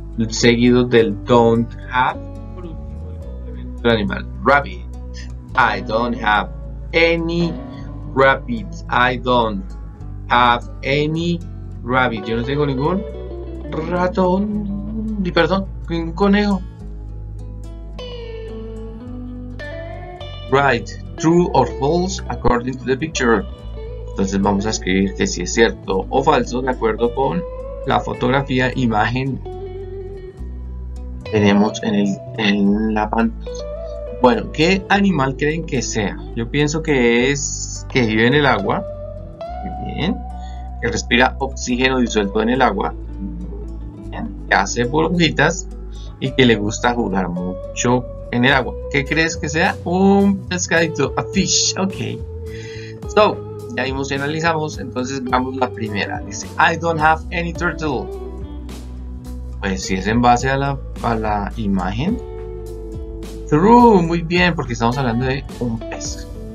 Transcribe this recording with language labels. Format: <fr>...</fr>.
<es>Seguido del</es> <en>don't have,</en> <es>por último el complemento del animal, rabbit.</es> <en>I don't have any rabbit. I don't have any rabbit.</en> <es>Yo no tengo ningún ratón, ni perdón, ningún conejo.</es> <en>Right, true or false according to the picture.</en> <es>Entonces vamos a escribir que si es cierto o falso de acuerdo con la fotografía, imagen. Tenemos en la pantalla. Bueno, ¿qué animal creen que sea? Yo pienso que es que vive en el agua. Muy bien. Que respira oxígeno disuelto en el agua. Bien. Que hace burbujitas y que le gusta jugar mucho en el agua. ¿Qué crees que sea? Un pescadito.</es> <en>A fish.</en> <es>Ok. So, ya vimos y analizamos. Entonces, veamos la primera.</es> <en>Dice: I don't have any turtle.</en> <es>Pues si es en base a la imagen. True, muy bien, porque estamos hablando de un pez.</es>